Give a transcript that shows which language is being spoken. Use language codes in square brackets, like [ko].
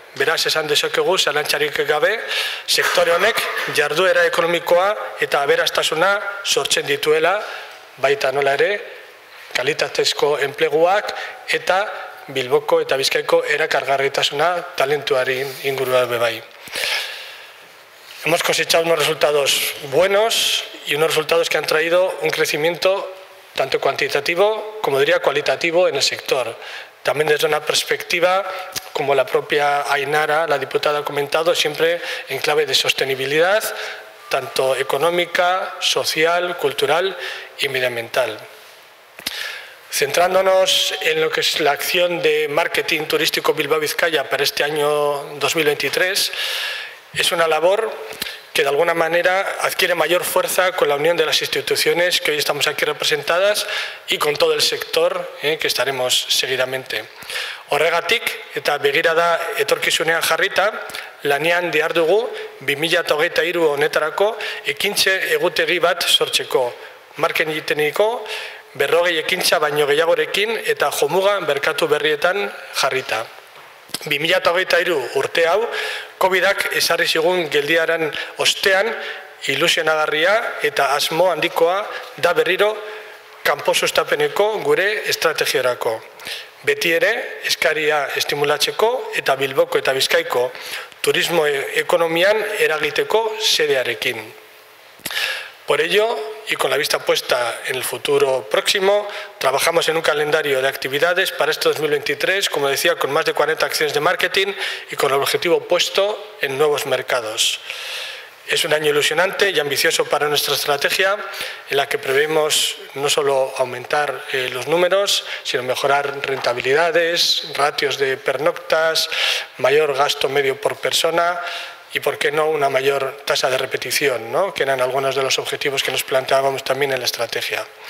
[eu] Beraz, esan dezakegu, zalantzarik gabe, sektore honek jarduera ekonomikoa eta aberastasuna sortzen dituela, baita nola ere, kalitatezko enpleguak eta Bilboko eta Bizkaiko erakargarritasuna talentuari inguruan bebai. [es] Hemos cosechado unos resultados buenos y unos resultados que han traído un crecimiento tanto cuantitativo como diría cualitativo en el sector. También desde una perspectiva, como la propia Ainara, la diputada, ha comentado, siempre en clave de sostenibilidad, tanto económica, social, cultural y medioambiental. Centrándonos en lo que es la acción de marketing turístico Bilbao-Bizkaia para este año 2023, es una labor que de alguna manera adquiere mayor fuerza con la unión de las instituciones que hoy estamos aquí representadas y con todo el sector que estaremos seguidamente. [eu] Horregatik eta begirada etorkizunean jarrita, lanean dihardugu 2023 honetarako ekintze egutegi bat sortzeko, marken egiteniko 40 ekintza baino gehiagorekin eta jomuga merkatu berrietan jarrita. 2023 urte hau, COVID-ak ezarri zigun geldiaren ostean ilusionagarria eta asmo handikoa da berriro kanpo sustapeneko gure estrategiarako. Beti ere, eskaria estimulatzeko eta Bilboko eta Bizkaiko turismo ekonomian eragiteko sedearekin. [es] Por ello, y con la vista puesta en el futuro próximo, trabajamos en un calendario de actividades para este 2023, como decía, con más de 40 acciones de marketing y con el objetivo puesto en nuevos mercados. Es un año ilusionante y ambicioso para nuestra estrategia, en la que prevemos no solo aumentar los números, sino mejorar rentabilidades, ratios de pernoctas, mayor gasto medio por persona y, por qué no, una mayor tasa de repetición, ¿no?, que eran algunos de los objetivos que nos planteábamos también en la estrategia.